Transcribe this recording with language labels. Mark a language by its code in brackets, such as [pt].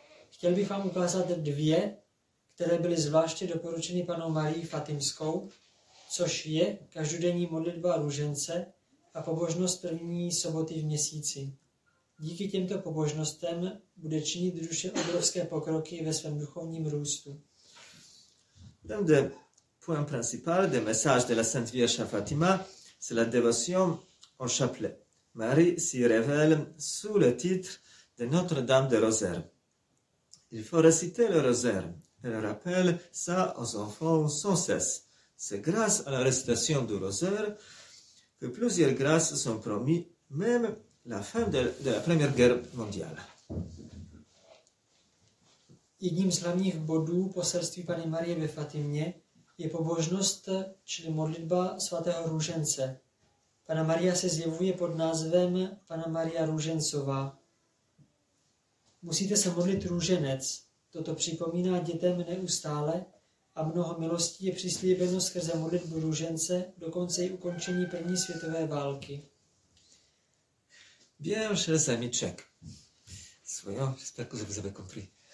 [cs] Chtěl bych vám ukázat dvě, které byly zvláště doporučeny Panou Marií Fatimskou, což je každodenní modlitba růžence a pobožnost první soboty v měsíci. Díky těmto pobožnostem bude činit duše obrovské pokroky ve svém duchovním růstu. [fr] Un des points principaux des messages de la Sainte Vierge à Fatima, c'est la dévotion au chapelet. Marie s'y révèle sous le titre de Notre-Dame de Rosaire. Il faut réciter le rosaire. Elle rappelle ça aux enfants sans cesse. C'est grâce à la récitation du rosaire que plusieurs grâces sont promises, même la fin de la Première Guerre mondiale. [cs] Jedním z hlavních bodů poselství Panny Marie ve Fatimě je pobožnost, čili modlitba svatého růžence. Panna Maria se zjevuje pod názvem Panna Maria Růžencová. Musíte se modlit růženec. Toto připomíná dětem neustále a mnoho milostí je přislíbeno skrze modlitbu růžence, dokonce i ukončení první světové války. [fr] Bien, chers amis, check. Soyons, j'espère que vous avez compris.